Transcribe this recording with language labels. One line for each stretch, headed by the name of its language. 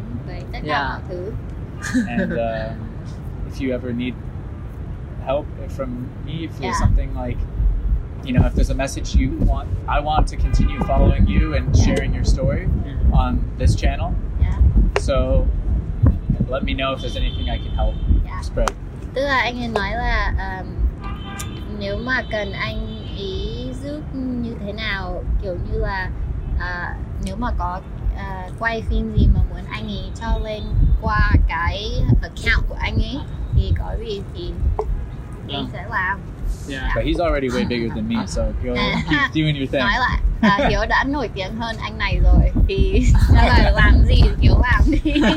English: And if you ever need help from me, if there's something like, you know, if there's a message you want, I want to continue following you and sharing your story on this channel. So let me know if there's anything I can help spread.
Vietnamese: Tức là anh ấy nói là nếu mà cần anh ấy giúp như thế nào, kiểu như là nếu mà có quay phim gì mà muốn anh ấy cho lên qua cái account của anh ấy thì có gì thì anh sẽ làm.
English: But he's already way bigger than me, so keep doing your thing.
Vietnamese: Nói là Hiếu đã nổi tiếng hơn anh này rồi thì nói là làm gì Hiếu làm đi.